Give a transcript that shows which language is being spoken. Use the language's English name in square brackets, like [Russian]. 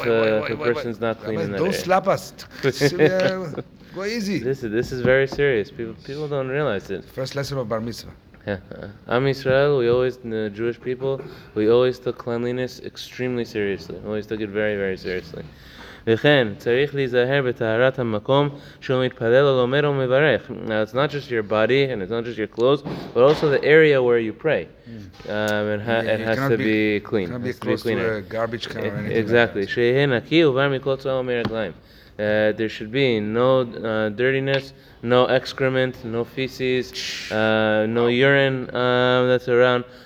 [English] Don't slap us. Go easy. This is very serious. People don't realize it. First lesson of Bar Mitzvah. Am Yisrael, the Jewish people, we always took cleanliness extremely seriously. We always took it very, very seriously. [Hebrew] וכן, צריך להיזהר בטהרת המקום שהוא מתפלל או לומד או מברך. [English] Now, it's not just your body and it's not just your clothes, but also the area where you pray. It has to be clean. It can't be close to a garbage can or anything. Like that. There should be no dirtiness, no excrement, no feces, no urine that's around.